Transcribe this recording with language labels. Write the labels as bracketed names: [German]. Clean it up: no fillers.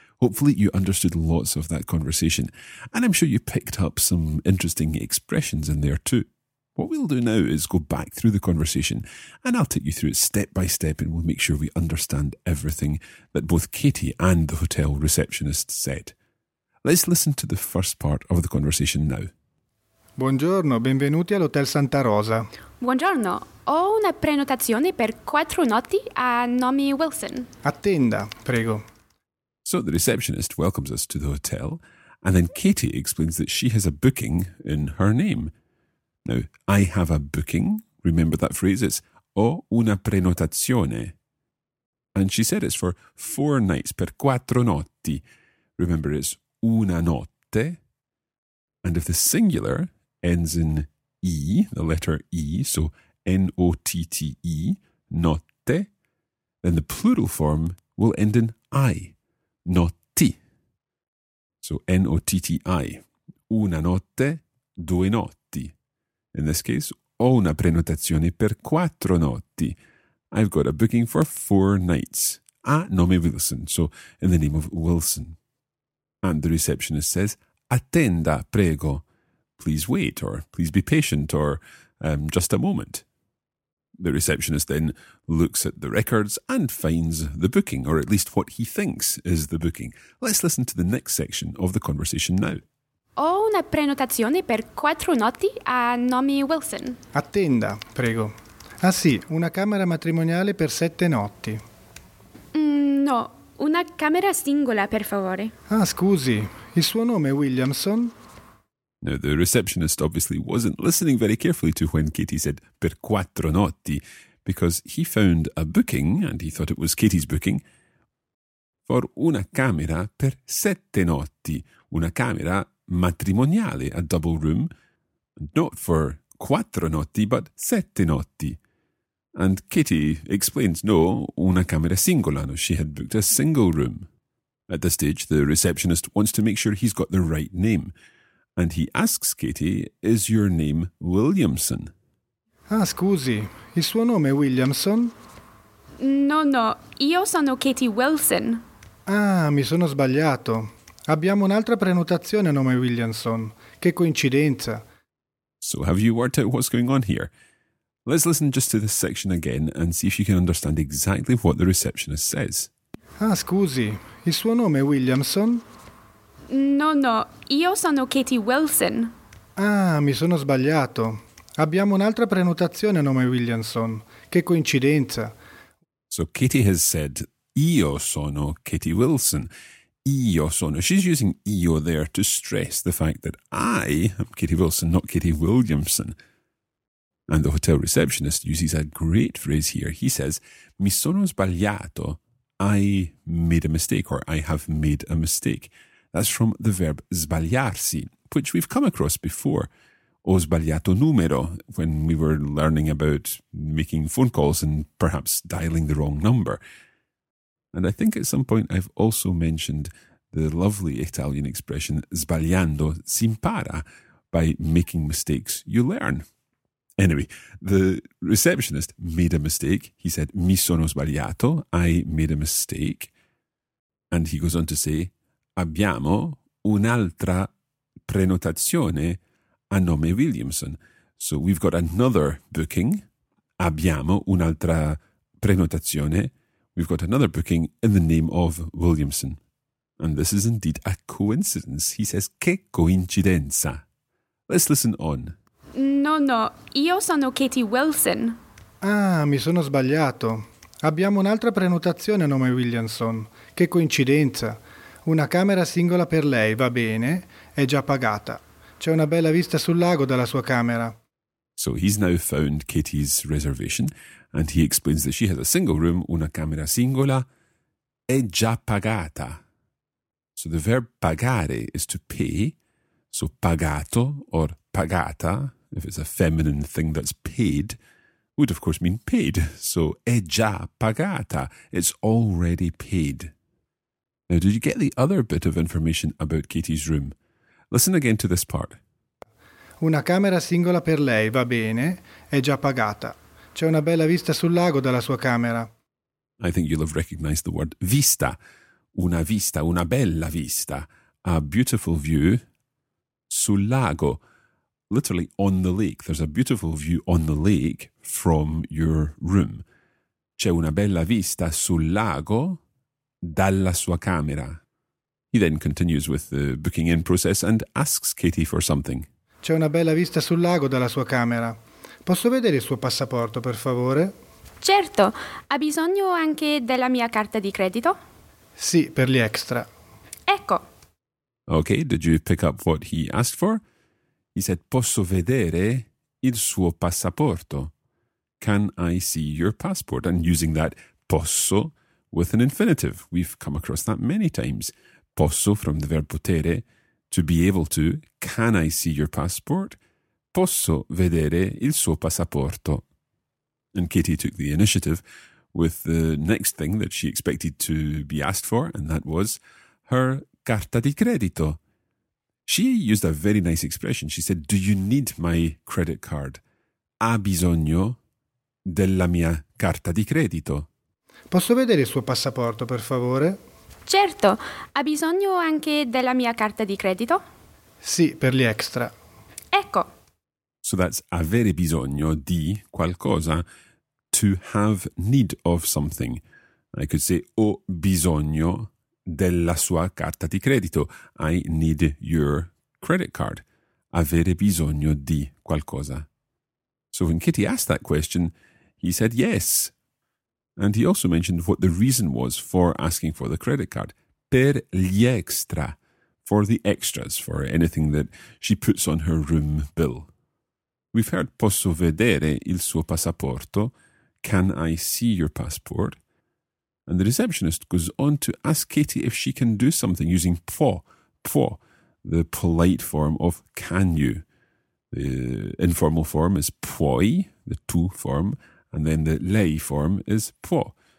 [English] Hopefully you understood lots of that conversation, and I'm sure you picked up some interesting expressions in there too. What we'll do now is go back through the conversation and I'll take you through it step by step and we'll make sure we understand everything that both Katie and the hotel receptionist said. Let's listen to the first part of the conversation now. [Italian] Buongiorno, benvenuti all'Hotel Santa Rosa. Buongiorno, ho una prenotazione per 4 notti a nome Wilson. Attenda, prego. [English] So the receptionist welcomes us to the hotel and then Katie explains that she has a booking in her name. Now, I have a booking. Remember that phrase? [Italian] It's ho una prenotazione. [English] And she said it's for 4 nights, [Italian] per 4 notti. [English] Remember, it's [Italian] una notte. [English] And if the singular ends in E, the letter E, so N-O-T-T-E, notte, then the plural form will end in I, notti. So N-O-T-T-I, [Italian] una notte, 2 notti. [English] In this case, [Italian] ho una prenotazione per 4 notti. [English] I've got a booking for 4 nights. [Italian] A nome Wilson, [English] so in the name of Wilson. And the receptionist says, [Italian] attenda, prego. [English] Please wait, or please be patient, or just a moment. The receptionist then looks at the records and finds the booking, or at least what he thinks is the booking. Let's listen to the next section of the conversation now. [Italian] Ho una prenotazione per 4 notti a nome Wilson. Attenda, prego. Ah sì, una camera matrimoniale per 7 notti. No, una camera singola, per favore. Ah, scusi, il suo nome è Williamson? [English] Now, the receptionist obviously wasn't listening very carefully to when Katie said [Italian] per 4 notti, [English] because he found a booking, and he thought it was Katie's booking, for [Italian] una camera per 7 notti, una camera matrimoniale, [English] a double room, not for 4 notti, but 7 notti. And Katie explains, [Italian] no, una camera singola, no, [English] she had booked a single room. At this stage, the receptionist wants to make sure he's got the right name, and he asks Katie, is your name Williamson? [Italian] Ah, scusi, il suo nome è Williamson? No, no, io sono Katie Wilson. Ah, mi sono sbagliato. Abbiamo un'altra prenotazione a nome Williamson. Che coincidenza. [English] So have you worked out what's going on here? Let's listen just to this section again and see if you can understand exactly what the receptionist says. [Italian] Ah, scusi, il suo nome è Williamson? No, no, io sono Katie Wilson. Ah, mi sono sbagliato. Abbiamo un'altra prenotazione a nome Williamson. Che coincidenza. [English] So Katie has said, [Italian] io sono Katie Wilson. Io sono. [English] She's using io there to stress the fact that I am Katie Wilson, not Katie Williamson. And the hotel receptionist uses a great phrase here. He says, [Italian] mi sono sbagliato. [English] I made a mistake, or I have made a mistake. That's from the verb sbagliarsi, which we've come across before. [Italian] Ho sbagliato numero, [English] when we were learning about making phone calls and perhaps dialing the wrong number. And I think at some point I've also mentioned the lovely Italian expression [Italian] sbagliando si impara, [English] by making mistakes you learn. Anyway, the receptionist made a mistake. He said, [Italian] mi sono sbagliato, [English] I made a mistake. And he goes on to say, [Italian] abbiamo un'altra prenotazione a nome Williamson. [English] So we've got another booking. [Italian] Abbiamo un'altra prenotazione. [English] We've got another booking in the name of Williamson. And this is indeed a coincidence. He says, [Italian] che coincidenza. [English] Let's listen on. [Italian] No, no, io sono Katie Wilson. Ah, mi sono sbagliato. Abbiamo un'altra prenotazione a nome Williamson. Che coincidenza. Una camera singola per lei, va bene, è già pagata. C'è una bella vista sul lago dalla sua camera. [English] So he's now found Katie's reservation and he explains that she has a single room, [Italian] una camera singola, è già pagata. [English] So the verb pagare is to pay. So pagato or pagata, if it's a feminine thing that's paid, would of course mean paid. So [Italian] è già pagata, [English] it's already paid. Now, did you get the other bit of information about Katie's room? Listen again to this part. [Italian] Una camera singola per lei, va bene, è già pagata. C'è una bella vista sul lago dalla sua camera. [English] I think you'll have recognized the word vista. [Italian] Una vista, una bella vista. [English] A beautiful view [Italian] sul lago. [English] literally on the lake. There's a beautiful view on the lake from your room. [Italian] C'è una bella vista sul lago dalla sua camera. [English] He then continues with the booking in process and asks Katie for something. [Italian] C'è una bella vista sul lago dalla sua camera. Posso vedere il suo passaporto, per favore? Certo. Ha bisogno anche della mia carta di credito? Sì, per gli extra. Ecco. [English] Okay, did you pick up what he asked for? He said, [Italian] posso vedere il suo passaporto? [English] Can I see your passport? And using that posso with an infinitive. We've come across that many times. Posso from the verb potere, to be able to. Can I see your passport? [Italian] Posso vedere il suo passaporto? [English] And Katie took the initiative with the next thing that she expected to be asked for, and that was her carta di credito. She used a very nice expression. She said, do you need my credit card? [Italian] Ha bisogno della mia carta di credito. Posso vedere il suo passaporto, per favore? Certo, ha bisogno anche della mia carta di credito? Sì, per gli extra. Ecco. [English] So that's [Italian] avere bisogno di qualcosa, [English] to have need of something. I could say, [Italian] ho bisogno della sua carta di credito. [English] I need your credit card. [Italian] Avere bisogno di qualcosa. [English] So when Kitty asked that question, he said yes. And he also mentioned what the reason was for asking for the credit card. [Italian] Per gli extra. [English] For the extras, for anything that she puts on her room bill. We've heard, [Italian] posso vedere il suo passaporto? [English] Can I see your passport? And the receptionist goes on to ask Katie if she can do something using può, può, the polite form of can you. The informal form is puoi, the tu form, and then the lei form is può.